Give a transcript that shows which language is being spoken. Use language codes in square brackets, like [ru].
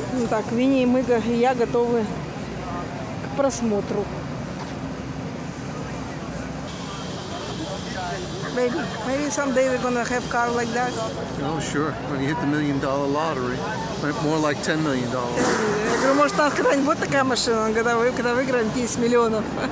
[ru] Так, Винни и я готовы к просмотру. [en] Maybe someday we're gonna have car like that. Oh, sure. When you hit the $1 million lottery, more like $10 million. [ru] Я говорю, может, там когда-нибудь будет такая машина, когда выиграем 10 миллионов.